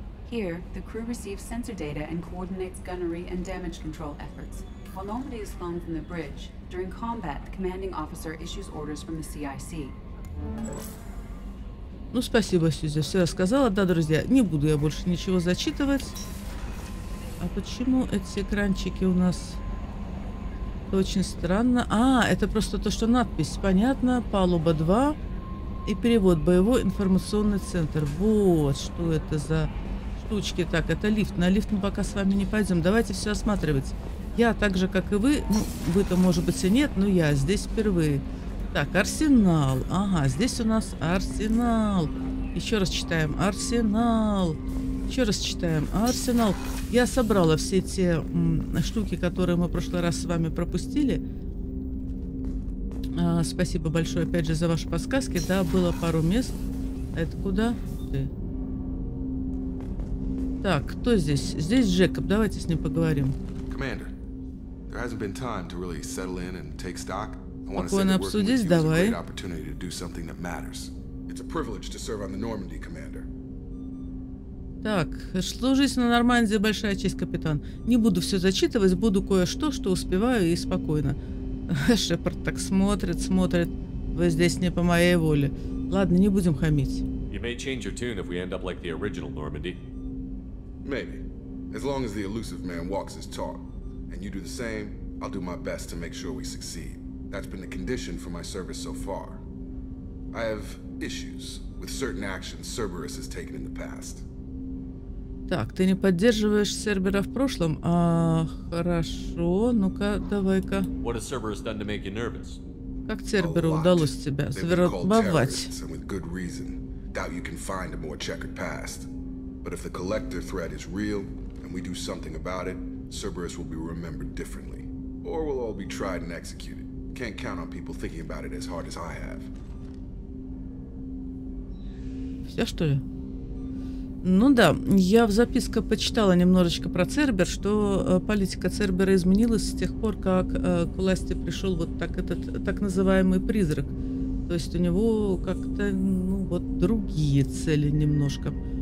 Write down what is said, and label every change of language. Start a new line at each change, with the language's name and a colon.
English: Here, the crew receives sensor data and coordinates gunnery and damage control efforts. While nobody is flown from the bridge, during combat, the commanding officer issues orders from the CIC.
Russian: Ну, спасибо, Сюзи, все рассказала. Да, друзья, не буду я больше ничего зачитывать. А почему эти экранчики у нас? Это очень странно. А, это просто то, что надпись. Понятно, палуба 2 и перевод. Боевой информационный центр. Вот, что это за... Штучки. Так, это лифт. На лифт мы пока с вами не пойдем. Давайте все осматривать. Я так же, как и вы, ну, вы-то, может быть, и нет, но я здесь впервые. Так, арсенал. Ага, здесь у нас арсенал. Еще раз читаем. Арсенал. Еще раз читаем. Арсенал. Я собрала все те штуки, которые мы в прошлый раз с вами пропустили. Спасибо большое, опять же, за ваши подсказки. Да, было пару мест. Это куда? Ты. Так, кто здесь? Здесь Джекоб. Давайте с ним поговорим.
English: Commander, there hasn't been time to really settle in and take stock. I want to say that working with you is a great opportunity to do something that matters. It's a privilege to serve on the Normandy, Commander.
Russian: Так, служить на Нормандии — большая честь, капитан. Не буду все зачитывать, буду кое-что, что успеваю, и спокойно. Шепард так смотрит, смотрит. Вы здесь не по моей воле. Ладно, не будем хамить.
English: You may change your tune if we end up like the original Normandy. Maybe. As long as the elusive man walks his talk, and you do the same, I'll do my best to make sure we succeed. That's been the condition for my service so far. I have issues with certain actions Cerberus has taken in the past.
Russian: Так, ты не поддерживаешь Сербера в прошлом? А, хорошо, ну-ка, давай-ка.
English: What has Cerberus done to make you nervous?
Russian: Как Церберу удалось тебя завербовать?
English: And with good reason. Doubt you can find a more checkered past. But if the collector threat is real, and we do something about it, Cerberus will be remembered differently. Or we'll all be tried and executed. Can't count on people thinking about it as hard as I have.
Russian: Все, что ли? Ну да, я в записке почитала немножечко про Цербер, что политика Цербера изменилась с тех пор, как к власти пришел вот так этот так называемый призрак. То есть у него как-то, ну вот, другие цели немножко.